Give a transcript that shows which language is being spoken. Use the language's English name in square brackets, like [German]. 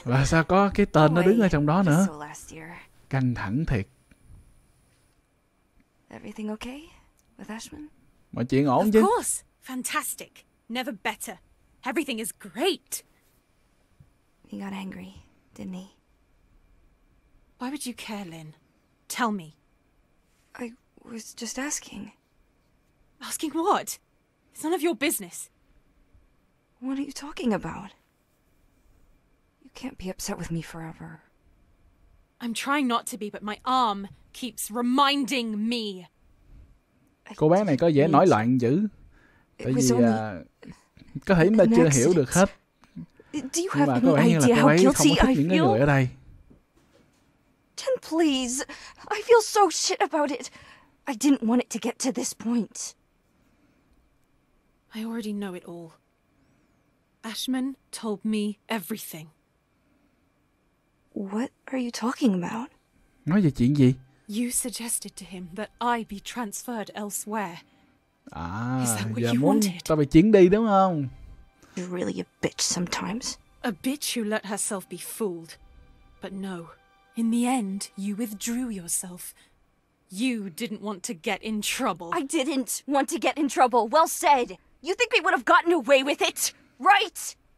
[Vietnamese] Và sao có cái tên nó đứng ở trong đó nữa? Căng thẳng thiệt. [English] Everything okay with Ashman? [Vietnamese] Mọi chuyện ổn [English] of [Vietnamese] chứ? [English] Of course, fantastic. Never better. Everything is great. He got angry, didn't he? Why would you care, Lynn? Tell me. I was just asking. Asking what? It's none of your business. What are you talking about? You can't be upset with me forever. I'm trying not to be, but my arm keeps reminding me. [Vietnamese] Cô bé này có vẻ nổi loạn dữ. Tại vì có thể mình chưa hiểu được hết. [English] Do you have any idea how guilty I feel? [Vietnamese] Những người ở đây. [English] Jen, please. I feel so shit about it. I didn't want it to get to this point. I already know it all. Ashman told me everything. What are you talking about? [Vietnamese] Nói về chuyện gì? [English] You suggested to him that I be transferred elsewhere. [Vietnamese] À, giờ muốn ta bị chuyển đi đúng không? [English] You're really a bitch sometimes. A bitch who let herself be fooled. But no, in the end, you withdrew yourself. You didn't want to get in trouble. I didn't want to get in trouble. Well said. You think we would have gotten away with it, right?